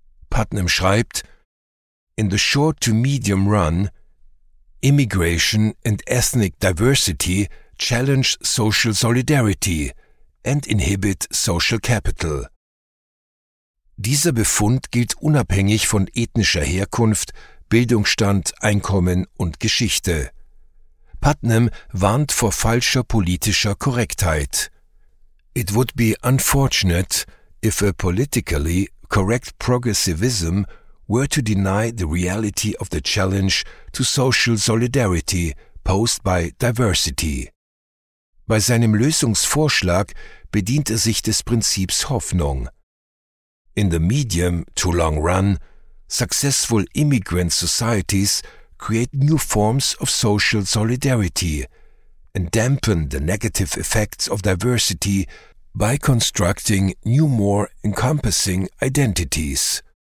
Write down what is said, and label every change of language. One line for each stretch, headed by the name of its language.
German: Putnam schreibt:
English: In the short to medium run, immigration and ethnic diversity challenge social solidarity and inhibit social capital.
German: Dieser Befund gilt unabhängig von ethnischer Herkunft, Bildungsstand, Einkommen und Geschichte. Putnam warnt vor falscher politischer Korrektheit.
English: It would be unfortunate if a politically correct progressivism were to deny the reality of the challenge to social solidarity posed by diversity.
German: Bei seinem Lösungsvorschlag bedient er sich des Prinzips Hoffnung.
English: In the medium to long run, successful immigrant societies create new forms of social solidarity and dampen the negative effects of diversity by constructing new, more encompassing identities.